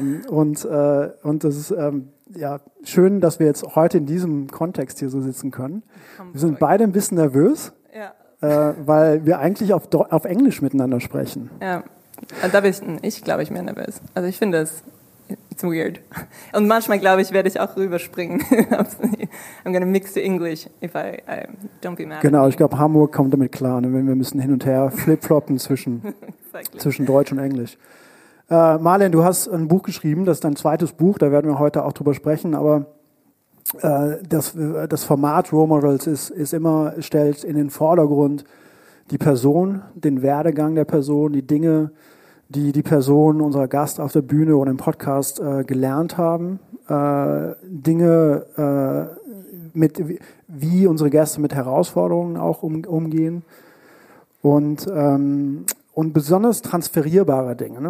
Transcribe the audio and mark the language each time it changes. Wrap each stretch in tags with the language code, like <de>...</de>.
<de>Und es ist ja schön, dass wir jetzt heute in diesem Kontext hier so sitzen können. Wir sind beide ein bisschen nervös, weil wir eigentlich auf Englisch miteinander sprechen. Ja, also da bin ich, glaube ich, mehr nervös. Also ich finde es</de> <en>it's weird.</en> <de>Und manchmal, glaube ich, werde ich auch rüberspringen.</de> <en>I'm gonna mix the English if I don't be mad.</en> <de>Genau, ich glaube, Hamburg kommt damit klar, ne? Wenn wir müssen hin und her flip-floppen zwischen, zwischen Deutsch und Englisch. Marlen, du hast ein Buch geschrieben, das ist dein zweites Buch, da werden wir heute auch drüber sprechen, aber das Format Role Models ist immer, stellt in den Vordergrund die Person, den Werdegang der Person, die Dinge, die die Person, unser Gast auf der Bühne oder im Podcast gelernt haben, Dinge, mit wie unsere Gäste mit Herausforderungen auch umgehen und besonders transferierbare Dinge.</de>